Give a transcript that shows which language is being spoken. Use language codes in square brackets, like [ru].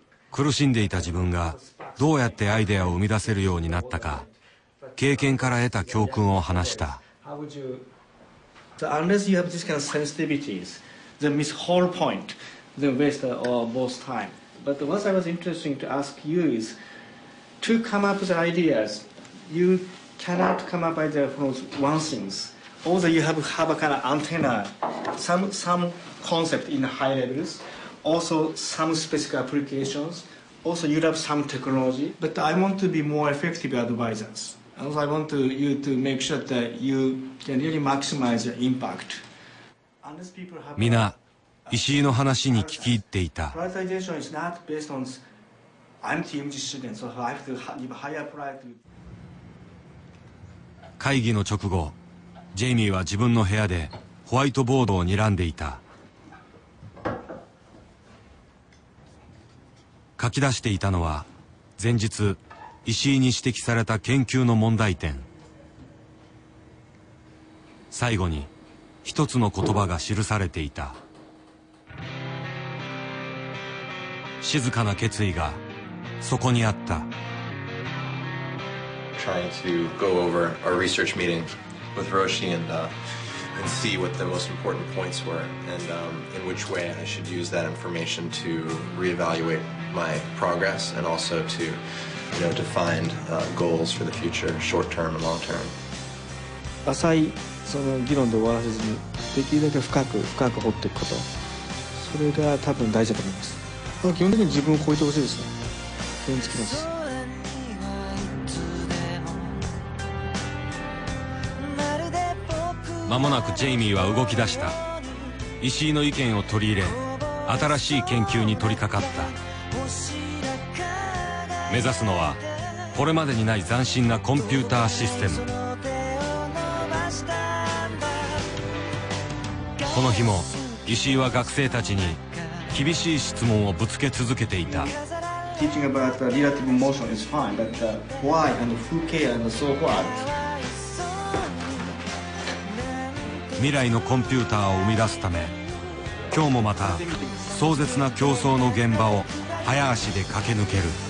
[ja] 苦しんでいた自分がどうやってアイデアを生み出せるようになったか、経験から得た教訓を話した。 [en] Unless you have this kind of sensitivities, then miss whole point, then waste or both time. But what I was interesting to ask you is, to come up with ideas, you cannot come up with one thing. Also, you have a kind of antenna, some concept in high levels, also some specific applications, also you have some technology. But I want to be more effective advisors. Also, I want you to make sure that you can really maximize your impact. [ja] みんな石井の話に聞き入っていた。会議の直後、ジェイミーは自分の部屋でホワイトボードを睨んでいた。書き出していたのは、前日石井に指摘された研究の問題点。最後に一つの言葉が記されていた。静かな決意がそこにあった。 [en] Trying to go over a research meeting with Roshi and see what the most important points were and in which way I should use that information to reevaluate my progress and also to, you know, to find goals for the future, short term and long term. [ja] 浅いその議論で終わらせずにできるだけ深く掘っていくこと、それが多分大事だと思います。基本的に自分を超えてほしいですね。それにつきます。まもなくジェイミーは動き出した。石井の意見を取り入れ、新しい研究に取り掛かった。目指すのはこれまでにない斬新なコンピューターシステム。この日も石井は学生たちに厳しい質問をぶつけ続けていた。 [en] Teaching about relative motion is fine, but why and who cares and so what? [ja] 未来のコンピューターを生み出すため、今日もまた壮絶な競争の現場を早足で駆け抜ける。